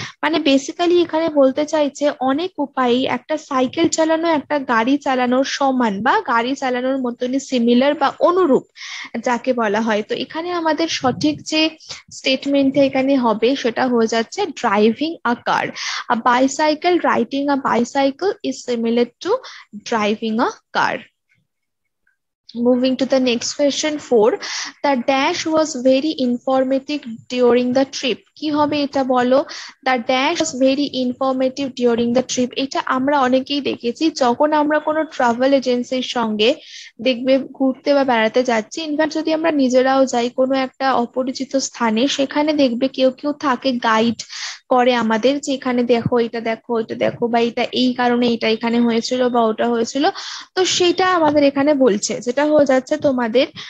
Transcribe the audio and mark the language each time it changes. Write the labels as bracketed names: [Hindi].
[Bangla] মানে বেসিক্যালি এখানে বলতে চাইছে অনেক উপায়ে একটা সাইকেল চালানো একটা গাড়ি চালানোর সমান বা গাড়ি চালানো মতনই সিমিলার বা অনুরূপ যাকে বলা হয়। তো এখানে আমাদের সঠিক যে স্টেটমেন্ট এখানে হবে সেটা হয়ে যাচ্ছে [English] Driving a car, a bicycle, riding a bicycle is similar to driving a car. Moving to the next question 4, the dash was very informative during the trip. [Bangla] কি হবে এটা বলো, [English] the dash was very informative during the trip। [Bangla] এটা আমরা অনেকেই দেখেছি যখন আমরা কোনো ট্রাভেল এজেন্সির সঙ্গে দেখবে ঘুরতে বা বেড়াতে যাচ্ছি, ইনফ্যাক্ট যদি আমরা নিজেরাও যাই কোনো একটা অপরিচিত স্থানে, সেখানে দেখবে কেউ কেউ থাকে গাইড করে আমাদের যে এখানে দেখো এটা দেখো ওইটা দেখো বা এটা এই কারণে এটা এখানে হয়েছিল বা ওটা হয়েছিল। তো সেটা আমাদের এখানে বলছে, যেটা হয়ে যাচ্ছে তোমাদের